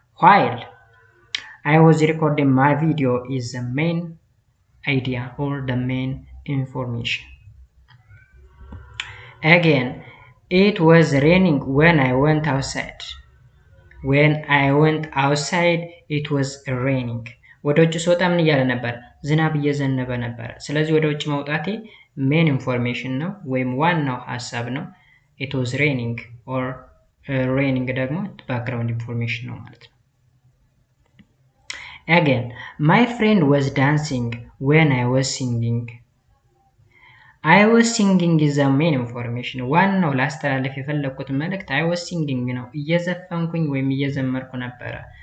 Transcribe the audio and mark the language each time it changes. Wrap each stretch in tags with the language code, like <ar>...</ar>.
<en>While I was recording my video is the main idea or the main information. Again, it was raining when I went outside, it was raining.</en> <am>ወደውጭ ስወጣ ምን ያለ ነበር? ዝናብ እየዘነበ ነበር. ስለዚህ ወደውጭ መውጣቴ main information ነው ወይም ዋናው ሐሳብ ነው.</am> <en>It was raining or raining ደግሞ background information ነው ማለት ነው. Again, my friend was dancing when I was singing. I was singing is the main information. One no last alif yefellekut melekt I was singing no yezefenkuñ wem yezemerku nebere.</en>